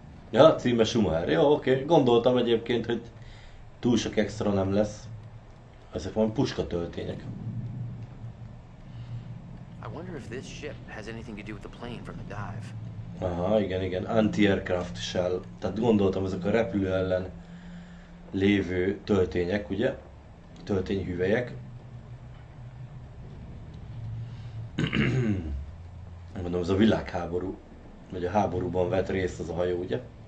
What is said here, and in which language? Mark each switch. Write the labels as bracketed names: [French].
[Hungarian] Ja, a címe Sumer. Jó, oké. Gondoltam egyébként, hogy túl sok extra nem lesz. Ezek van puska töltények. [English] I wonder if this ship has anything to do with the plane from the dive. [Hungarian] Aha, igen. [English] Anti-aircraft shell. [Hungarian] Tehát gondoltam, ezek a repülő ellen lévő töltények, ugye? Töltényhüvelyek. Mondom, ez a világháború, vagy a háborúban vett részt az a hajó, ugye?